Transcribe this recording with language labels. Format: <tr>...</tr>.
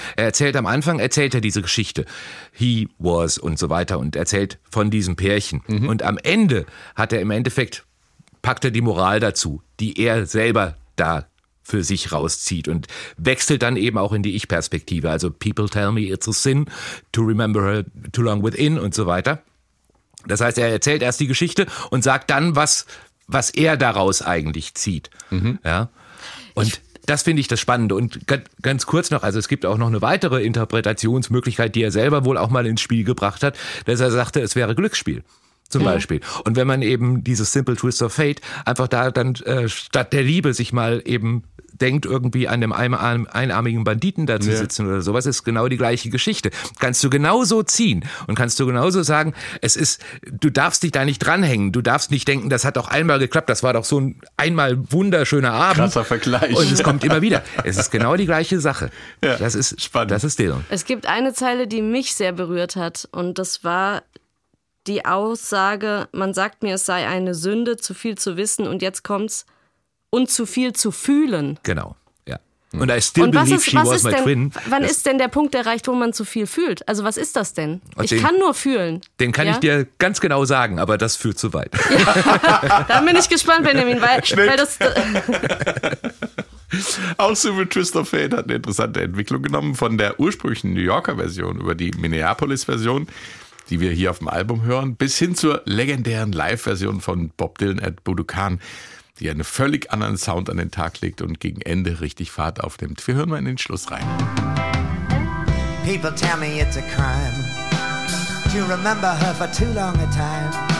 <de>Er erzählt am Anfang, erzählt er diese Geschichte.</de> <en>He was</en> <de>und so weiter und erzählt von diesem Pärchen. Mhm. Und am Ende hat er im Endeffekt, packt er die Moral dazu, die er selber da für sich rauszieht und wechselt dann eben auch in die Ich-Perspektive.</de> <en>Also people tell me it's a sin to remember her too long within</en> <de>und so weiter. Das heißt, er erzählt erst die Geschichte und sagt dann, was er daraus eigentlich zieht. Mhm. Ja. Und das finde ich das Spannende. Und ganz kurz noch, also es gibt auch noch eine weitere Interpretationsmöglichkeit, die er selber wohl auch mal ins Spiel gebracht hat, dass er sagte, es wäre Glücksspiel. zum Beispiel. Und wenn man eben dieses Simple Twist of Fate einfach da dann statt der Liebe sich mal eben denkt irgendwie an dem einarmigen Banditen da zu sitzen oder sowas, ist genau die gleiche Geschichte. Kannst du genauso ziehen und kannst du genauso sagen, es ist, du darfst dich da nicht dranhängen, du darfst nicht denken, das hat doch einmal geklappt, das war doch so ein einmal wunderschöner Abend. Krasser Vergleich. Und es kommt immer wieder. Es ist genau die gleiche Sache. Ja, das ist spannend. Das ist Dylan. Es gibt eine Zeile, die mich sehr berührt hat und das war die Aussage, man sagt mir, es sei eine Sünde, zu viel zu wissen und jetzt kommt's, und zu viel zu fühlen. Genau, ja.</de> <en>Und I still believe she was my twin.</en> <de>Wann ist denn der Punkt erreicht, wo man zu viel fühlt? Also was ist das denn? Ich kann nur fühlen. Den kann ich dir ganz genau sagen, aber das führt zu weit. Ja. Da bin ich gespannt, Benjamin. Weil das. Auch Simple Twist of Fate hat eine interessante Entwicklung genommen. Von der ursprünglichen New Yorker Version über die Minneapolis Version, die wir hier auf dem Album hören, bis hin zur legendären Live-Version von Bob Dylan at Budokan, die einen völlig anderen Sound an den Tag legt und gegen Ende richtig Fahrt aufnimmt. Wir hören mal in den Schluss rein.</de> <en>People tell me it's a crime to remember her for too long a time.</en>